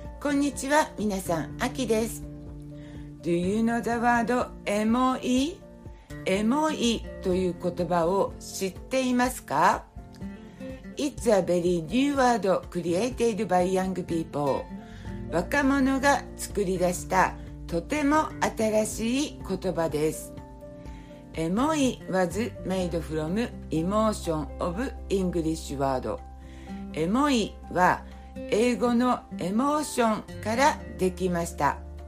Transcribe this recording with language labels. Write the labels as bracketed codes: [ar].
[ja] こんにちは、皆さん、アキです。 [en] Do you know the word エモイ？ [ja] エモイという言葉を知っていますか？ [en] It's a very new word created by young people。 [ja] 若者が作り出したとても新しい言葉です。 [en] Emoy was made from emotion of English word。 [ja] Emoy は英語のエモーションからできました。